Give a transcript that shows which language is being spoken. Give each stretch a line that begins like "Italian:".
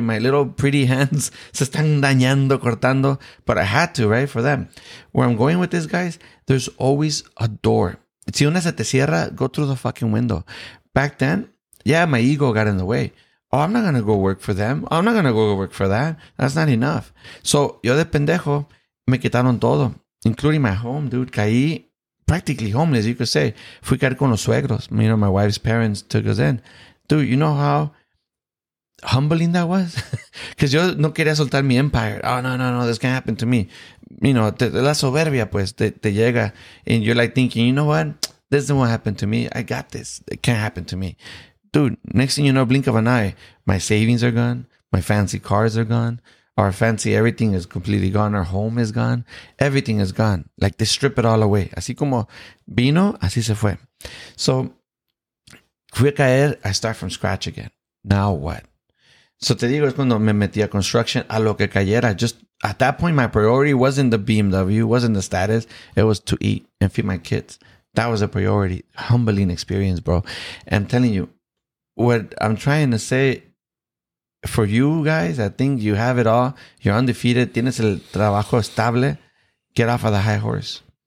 English: My little pretty hands
Spanish: se están dañando, cortando.
English: But I had to, right, for them. Where I'm going with this, guys, there's always a door.
Spanish: Si una se te cierra,
English: go through the fucking window. Back then, yeah, my ego got in the way. Oh, I'm not going to go work for them. I'm not going to go work for that. That's not enough. So
Spanish: yo de pendejo, me quitaron todo,
English: including my home, dude.
Spanish: Caí
English: practically homeless, you could say.
Spanish: Fui caer con los suegros.
English: You know, my wife's parents took us in. Dude, you know how humbling that was? Because
Spanish: yo no quería soltar mi
English: empire. Oh, no, this can't happen to me. You know,
Spanish: la soberbia, pues, te llega.
English: And you're like thinking, you know what? This is what happened to me. I got this. It can't happen to me. Dude, next thing you know, blink of an eye, my savings are gone. My fancy cars are gone. Our fancy everything is completely gone. Our home is gone. Everything is gone. Like they strip it all away.
Spanish: Así como vino, así se fue.
English: So,
Spanish: fui a caer,
English: I start from scratch again. Now what?
Spanish: So te digo, es cuando me metí a construction, a lo que cayera.
English: Just at that point, my priority wasn't the BMW, wasn't the status. It was to eat and feed my kids. That was a priority. Humbling experience, bro. I'm telling you, what I'm trying to say for you guys, I think you have it all. You're undefeated.
Spanish: Tienes el trabajo estable.
English: Get off of the high horse.